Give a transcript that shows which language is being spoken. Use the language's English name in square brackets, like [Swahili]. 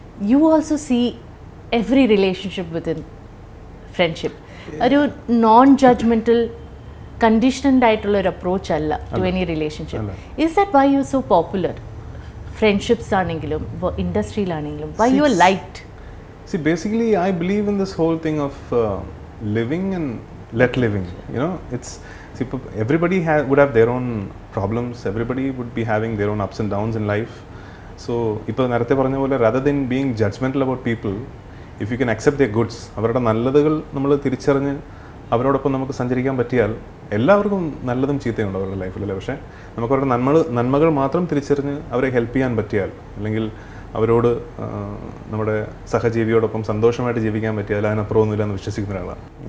[English] you also see every relationship within friendship, [Malayalam] ഒരു non judgemental conditioned ആയിട്ടുള്ള ഒരു approach അല്ല [English] To any relationship. Is that why you are so popular? [Malayalam] Friendships ആണെങ്കിലും ഇൻഡസ്ട്രിയിലാണെങ്കിലും, [English] Why you are liked? See, basically, I believe in this whole thing of living and let living. You know, it's, see, everybody would have their own problems. Everybody would be having their own ups and downs in life. [Malayalam] So, ഇപ്പോൾ നേരത്തെ പറഞ്ഞ പോലെ, [English] rather than being judgmental about people, if you can accept their goods, [Malayalam] അവരുടെ നല്ലതുകൾ നമ്മൾ തിരിച്ചറിഞ്ഞ് അവരോടൊപ്പം നമുക്ക് സഞ്ചരിക്കാൻ പറ്റിയാൽ എല്ലാവർക്കും നല്ലതും ചീത്തയുണ്ട് അവരുടെ ലൈഫിലല്ലേ. പക്ഷേ നമുക്ക് അവരുടെ നന്മകൾ മാത്രം തിരിച്ചറിഞ്ഞ് അവരെ ഹെൽപ്പ് ചെയ്യാൻ പറ്റിയാൽ, അല്ലെങ്കിൽ അവരോട് നമ്മുടെ സഹജീവിയോടൊപ്പം സന്തോഷമായിട്ട് ജീവിക്കാൻ പറ്റിയാൽ അതിനപ്പുറമൊന്നുമില്ല എന്ന് വിശ്വസിക്കുന്ന ഒരാളാണ്.